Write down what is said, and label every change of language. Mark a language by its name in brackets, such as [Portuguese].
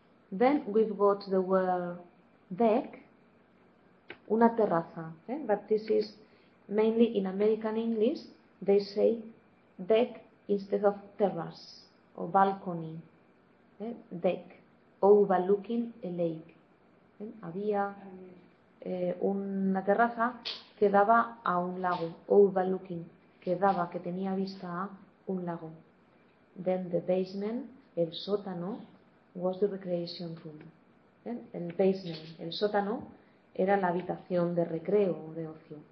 [English] Then we've got the word deck, [Spanish] una terraza. [English] But this is mainly in American English, they say deck instead of terrace or balcony. Deck, overlooking a lake. [Spanish] Había una terraza que daba a un lago, overlooking, que tenía vista a un lago. [English] Then the basement, [Spanish] el sótano, [English] was the recreation room. [Spanish] El basement, el sótano, era la habitación de recreo o de ocio.